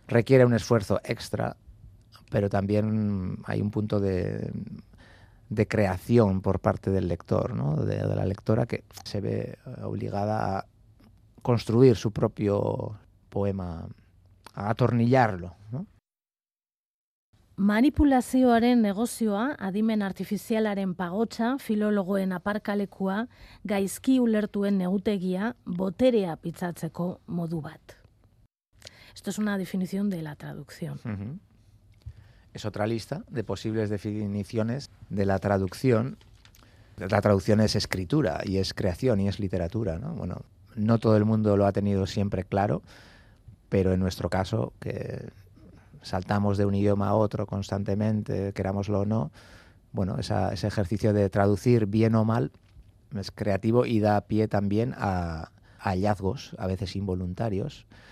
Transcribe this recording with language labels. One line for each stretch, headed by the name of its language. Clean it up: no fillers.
Spanish: Requiere un esfuerzo extra, pero también hay un punto de creación por parte del lector, ¿no? De la lectora que se ve obligada a construir su propio poema, a atornillarlo, ¿no?
Basque: Manipulazioaren negozioa, adimen artifizialaren pagotxa, filologoen aparkalekua, gaizki ulertuen negutegia, boterea pitzatzeko modu bat.
Spanish: Esto es una definición de la traducción. Es otra lista de posibles definiciones de la traducción. La traducción es escritura y es creación y es literatura, ¿no? Bueno, no todo el mundo lo ha tenido siempre claro, pero en nuestro caso, que saltamos de un idioma a otro constantemente, querámoslo o no, bueno, ese ejercicio de traducir bien o mal es creativo y da pie también a hallazgos, a veces involuntarios.